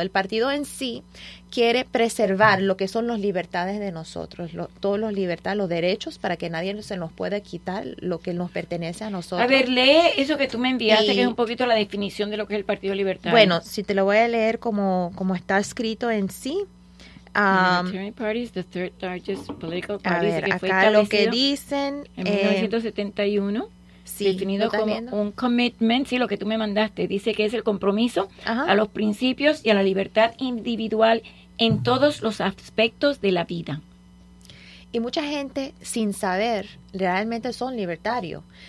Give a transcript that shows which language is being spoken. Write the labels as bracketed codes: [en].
[es] El partido en sí quiere preservar lo que son las libertades de nosotros, todos los libertades, los derechos, para que nadie se nos pueda quitar lo que nos pertenece a nosotros. A ver, lee eso que tú me enviaste, y, que es un poquito la definición de lo que es el Partido Libertario. Bueno, si te lo voy a leer como está escrito en sí. [en] The Party is the third largest political party. [es] A ver, acá lo que dicen en 1971 Sí, definido como un commitment, sí, lo que tú me mandaste. Dice que es el compromiso a los principios y a la libertad individual en todos los aspectos de la vida. Y mucha gente, sin saber, realmente son libertarios.